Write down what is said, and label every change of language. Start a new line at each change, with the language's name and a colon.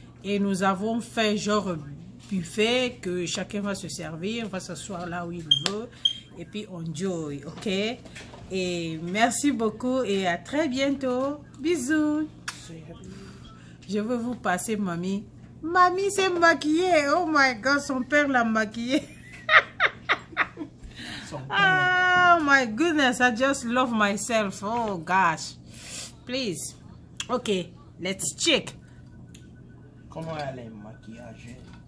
French: Et nous avons fait genre buffet que chacun va se servir, va s'asseoir là où il veut. Et puis, enjoy, ok? Et merci beaucoup et à très bientôt. Bisous. Je veux vous passer, mamie. Mamie s'est maquillée. Oh my God, son père l'a maquillée. Son père.
English: Oh my goodness, I just love myself. Oh gosh. Please. Ok, let's check.
French: Comment elle est maquillagée?